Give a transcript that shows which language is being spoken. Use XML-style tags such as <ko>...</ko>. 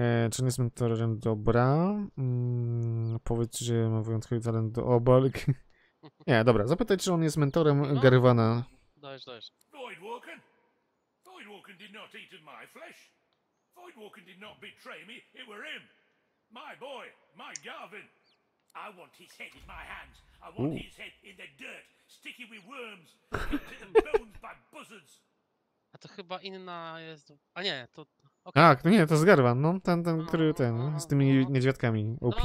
<pl>Czy nie jest mentorem dobra? Powiedz, że ma wyjątkowy talent do obalk. Nie, dobra, zapytaj, czy on jest mentorem Garwana. Dajesz. Voidwalken?</pl> <en>Voidwalken did not eat my flesh. Voidwalken did not betray me. It were him. My boy, my Garvin. I want his head in my hands. I want his head in the dirt, sticky with worms, eaten bones by buzzards.</en> <pl>A to chyba inna jest... A nie, to... Okay. Tak, no nie, to jest Garwan, no, ten który ten, z tymi niedźwiadkami, OP.</pl>